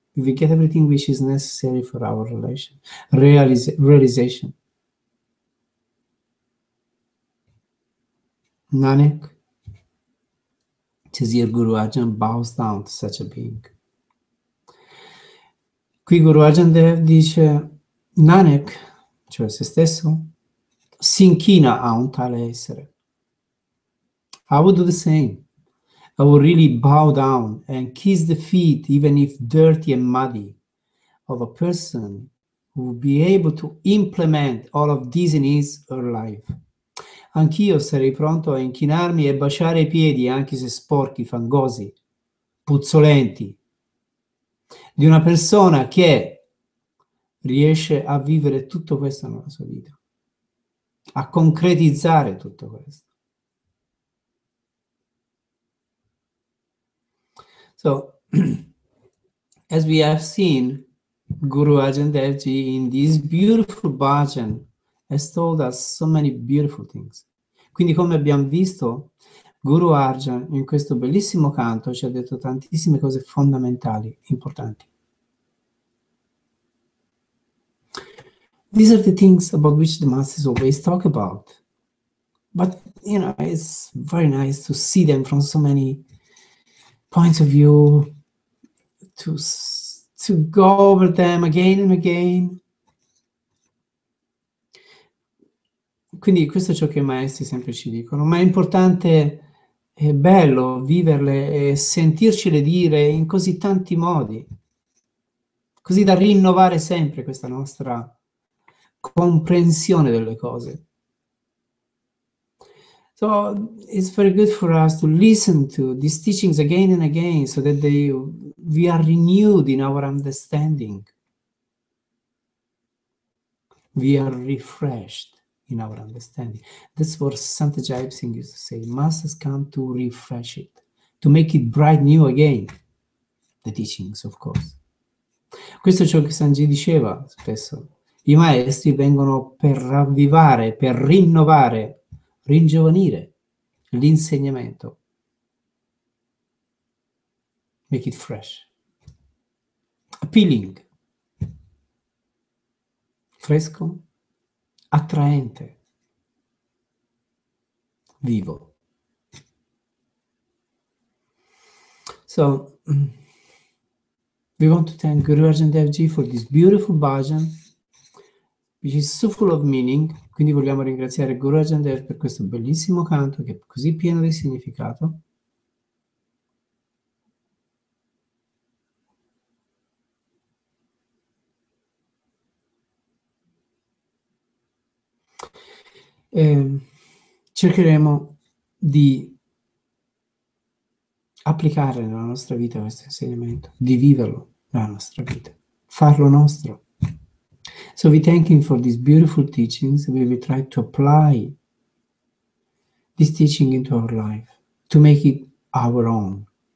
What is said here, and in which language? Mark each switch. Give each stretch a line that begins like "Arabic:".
English: We get everything which is necessary for our realization. Nanak, Cesir Guru Arjan bows down to such a being.
Italian: Qui Guru Arjan Dev dice, Nanak, cioè se stesso, si inchina a un tale essere.
English: I would do the same. I would really bow down and kiss the feet, even if dirty and muddy, of a person who would be able to implement all of this in his or life.
Italian: Anch'io sarei pronto a inchinarmi e baciare i piedi, anche se sporchi, fangosi, puzzolenti, di una persona che riesce a vivere tutto questo nella sua vita, a concretizzare tutto questo.
English: So, as we have seen, Guru Arjan Dev Ji in this beautiful bhajan has told us so many beautiful things.
Italian: Quindi, come abbiamo visto, Guru Arjan in questo bellissimo canto ci ha detto tantissime cose fondamentali, importanti.
English: These are the things about which the masters always talk about. But, you know, it's very nice to see them from so many points of view, to go over them again and again.
Italian: Quindi questo è ciò che i maestri sempre ci dicono, ma è importante, è bello viverle e sentircele dire in così tanti modi, così da rinnovare sempre questa nostra comprensione delle cose.
English: So it's very good for us to listen to these teachings again and again so that we are renewed in our understanding. We are refreshed in our understanding. That's what Santa Jaip Singh used to say. Masters come to refresh it, to make it bright new again. The teachings, of course.
Italian: Questo è ciò che Sanji diceva spesso. I maestri vengono per ravvivare, per rinnovare, ringiovanire l'insegnamento.
English: Make it fresh. Appealing.
Italian: Fresco. Attraente. Vivo.
English: So, we want to thank Guru Arjan Dev Ji for this beautiful bhajan, which is so full of meaning.
Italian: Quindi vogliamo ringraziare Guru Arjan Dev per questo bellissimo canto che è così pieno di significato. E cercheremo di applicare nella nostra vita questo insegnamento, di viverlo nella nostra vita, farlo nostro.
English: So we thank him for these beautiful teachings. We will try to apply this teaching into our life to make it our own.